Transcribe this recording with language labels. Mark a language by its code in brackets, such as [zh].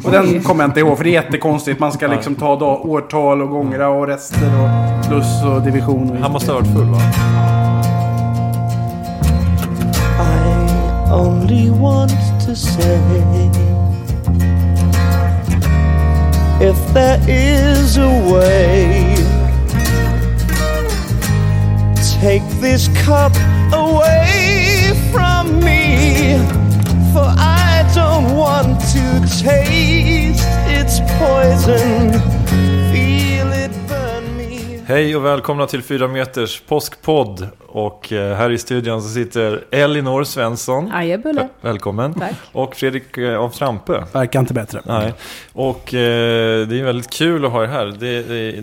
[sv] Och den kommer jag inte ihåg, för det är jättekonstigt. Man ska liksom ta årtal och gångra och rester och plus och division. Och han måste ha varit full, va? [en] I only want to say if there is a way, take this cup away from me, for I don't want to taste its poison. Feel it burn me. [sv] Hej och välkomna till 4 meters påskpodd. Och här i studion så sitter Elinor Svensson. Aje Bulle. Välkommen. Tack. Och Fredrik av Trampe. Verkar inte bättre. Nej. Och det är väldigt kul att ha er här.